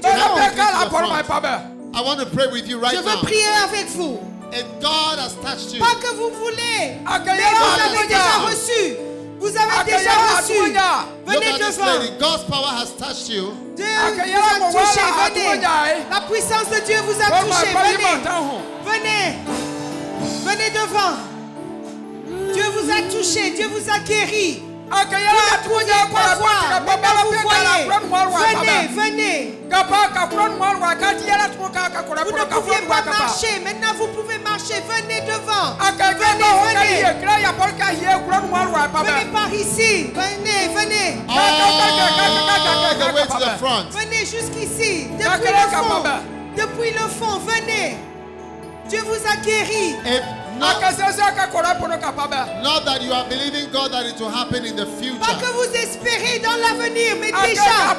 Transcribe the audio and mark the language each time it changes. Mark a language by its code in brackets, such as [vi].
[en] I want to pray with you right now. [fr] Je veux prier avec vous. [en] If God has touched you, [fr] pas que vous voulez, mais vous avez déjà reçu. Vous avez déjà reçu. Venez devant. [en] God's power has touched you. [fr] Dieu vous a touché. Venez. La puissance de Dieu vous a touché. Venez. Venez. Venez devant. Dieu vous a touché. Dieu vous a guéri. Vous ne pouviez pas voir, maintenant vous voyez. Venez, venez. Vous ne pouviez pas marcher, maintenant vous pouvez marcher. Venez devant. Venez, venez. Venez par ici. Venez, venez. [en] Oh, to the front. [fr] Venez jusqu'ici. Depuis le fond. Depuis le fond, venez. Dieu vous a guéri. [en] Not that you are believing God that it will happen in the future. [fr] Pas que vous espérez dans l'avenir, mais déjà.